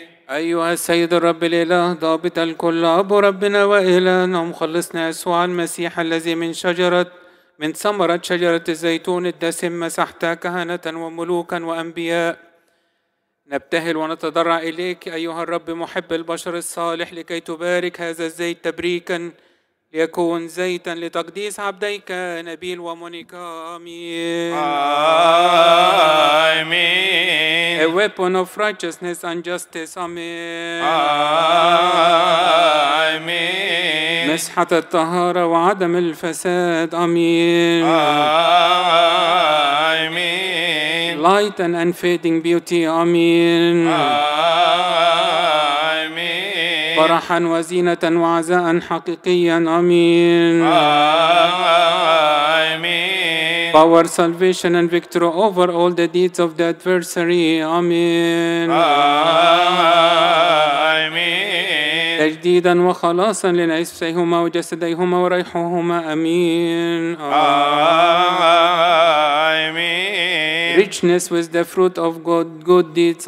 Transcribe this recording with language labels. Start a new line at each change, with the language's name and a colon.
Arabic: أيها السيد الرب الإله ضابط الكل أبو ربنا وإلهنا مخلصنا يسوع المسيح الذي من ثمرة شجرة الزيتون الدسم مسحت كهنة وملوكا وأنبياء. نبتهل ونتضرع إليك أيها الرب محب البشر الصالح لكي تبارك هذا الزيت تبريكا ليكون زيتا لتقديس عبديك نبيل ومونيكا. آمين.
English: A weapon of righteousness and justice.
Arabic: آمين. آمين. مسحة الطهارة وعدم الفساد. آمين. آمين.
English: Light and unfading beauty.
Arabic: آمين. آمين. فرحا وزينة وعزاء حقيقيا. آمين. آمين.
English: Power, salvation and victory over all the deeds of the adversary.
Arabic: آمين. آمين. تجديدا وخلاصا لنفسيهما وجسديهما وريحهما. آمين. آمين.
English: Richness with the fruit of God, good deeds.